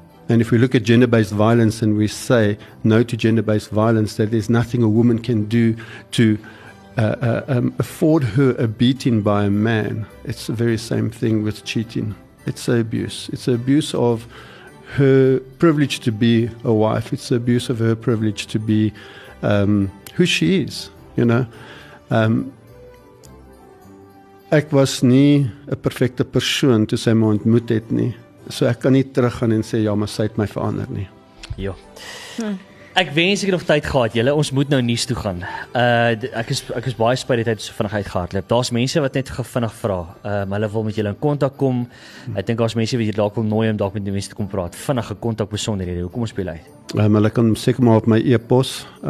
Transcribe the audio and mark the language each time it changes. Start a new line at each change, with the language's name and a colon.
English: And if we look at gender-based violence and we say no to gender-based violence, that there's nothing a woman can do to afford her a beating by a man, it's the very same thing with cheating. It's an abuse. It's an abuse of her privilege to be a wife. It's an abuse of her privilege to be who she is, you know.
Afrikaans: Ek was nie 'n perfekte persoon toe sy my ontmoet het nie. So ek kan nie terug gaan en sê, ja, maar sy het my verander nie. Ja. Ek wens ek het nog tyd gehad, julle. Ons moet nou nuus toe gaan. Ek is baie spyt die tyd so vinnig uitgehardloop. Daar's mense wat net vinnig vra. Hulle wil met julle in kontak kom. Ek dink daar's mense wat jy dalk wil nooi om dalk met die mense te kom praat. Vinnige kontak besonderhede. Hoe kom ons speel uit? Hulle kan seker maar op my e-pos.